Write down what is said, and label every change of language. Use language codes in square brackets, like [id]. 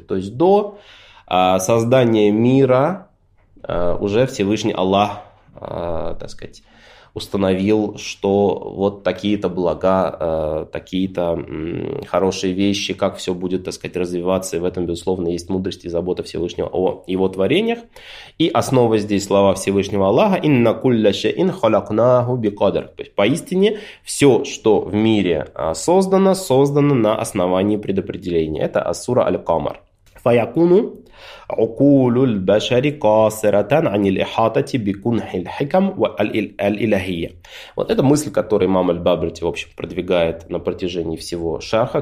[ru] То есть до создания мира уже Всевышний Аллах, так сказать, установил, что вот такие-то блага, такие-то хорошие вещи, как все будет, так сказать, развиваться. И в этом, безусловно, есть мудрость и забота Всевышнего о его творениях. И основа здесь слова Всевышнего Аллаха. [ar] «Инна кулля шеин халакнаху бикадр». [ru] То есть, поистине, все, что в мире создано, создано на основании предопределения. Это сура Аль-Камар. [ar] «Фаякуну عقول البشر قاصرة عن الإحاطة بكنح الحكم والإلهية». [ru] Вот это мысль, которую имам Аль-Баберти, в общем, продвигает на протяжении всего шарха.